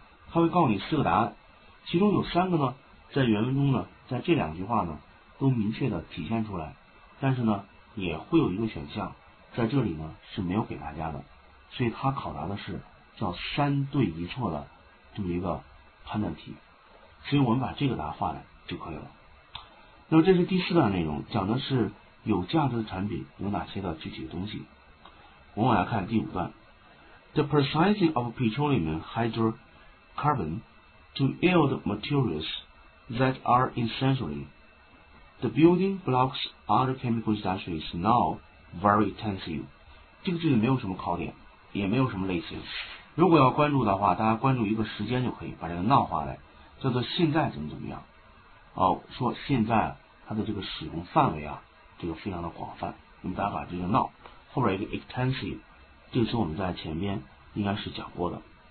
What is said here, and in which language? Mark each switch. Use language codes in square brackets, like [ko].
[zh] 他会告诉你四个答案，其中有三个呢在原文中呢在这两句话呢都明确的体现出来，但是呢也会有一个选项在这里呢是没有给大家的，所以他考察的是叫三对一错的这么一个判断题。所以我们把这个答案画来就可以了。那么这是第四段内容，讲的是有价值的产品有哪些的具体的东西。我们来看第五段， [en] The processing of petroleum hydrocarbon to yield materials that are essentially the building blocks of the chemical industry is now very intensive。 [zh] 这个句子没有什么考点，也没有什么类型，如果要关注的话，大家关注一个时间就可以，把这个now画来，叫做现在怎么怎么样。哦，说现在它的这个使用范围啊，这个非常的广泛。那么大家把这个 now 后边一个 extensive， 这个是我们在前边应该是讲过的。